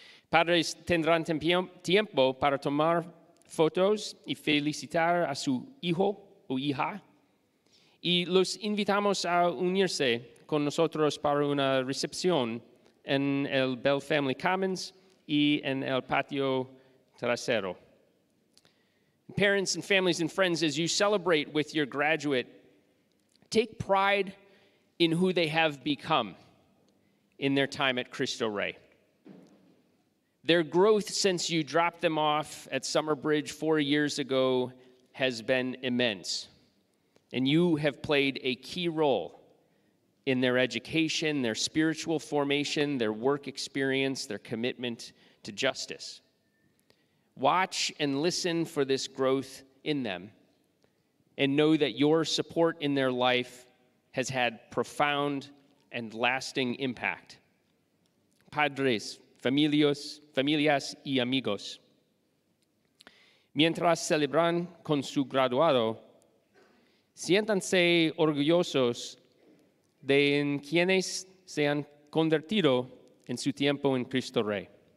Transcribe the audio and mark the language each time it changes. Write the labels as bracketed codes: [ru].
[es] Padres tendrán tiempo para tomar fotos y felicitar a su hijo o hija, y los invitamos a unirse con nosotros para una recepción en el Bell Family Commons y en el patio trasero. [en] Parents and families and friends, as you celebrate with your graduate, take pride in who they have become in their time at Cristo Rey. Their growth since you dropped them off at Summer Bridge 4 years ago has been immense. And you have played a key role in their education, their spiritual formation, their work experience, their commitment to justice. Watch and listen for this growth in them, and know that your support in their life has had profound and lasting impact. [es] Padres, familios, familias y amigos, mientras celebran con su graduado, siéntanse orgullosos de en quienes se han convertido en su tiempo en Cristo Rey.